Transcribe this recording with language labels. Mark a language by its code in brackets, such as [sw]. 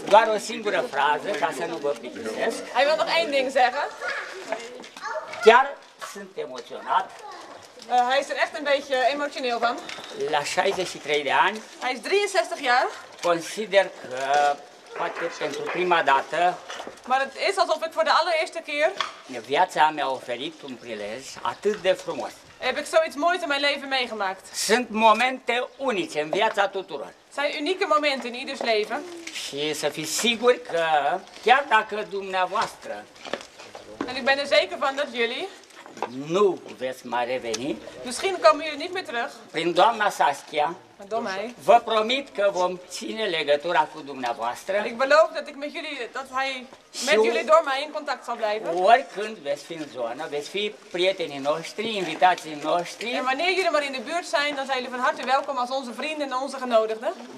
[ro] Doar o singură frază ca să nu vă plictisesc. Ai vrut doar un ding să chiar sunt emoționat. [nl] Hij is er echt een beetje emotioneel van. [ro] La 63 de ani. [nl] Hij is 63 jaar. [ro] Consider că poate pentru prima dată. [nl] Maar het is alsof ik voor de allereerste keer. [ro] Viața mi-a oferit un prilej atât de frumos. [nl] Heb ik zoiets moois in mijn leven meegemaakt. [ro] Sunt momente unice în viața tuturor. [nl] Zijn unieke momenten in ieders leven. [ro] Și să fiți siguri că chiar dacă dumneavoastră. [nl] En ik ben er zeker van dat jullie. [ro] Nu veți mai reveni. [nl] Misschien komen jullie niet meer terug. [ro] Prin doamna Saskia. Domnei. Vă promit că vom ține legătura cu dumneavoastră. [nl] Ik beloof dat ik met jullie dat hij met jullie door mij in contact zal blijven. [ro] Oricând veți fi în zonă, veți fi prietenii noștri, invitații noștri. [nl] En wanneer jullie maar in de buurt zijn, dan zijn jullie van harte welkom als onze vrienden en onze genodigden.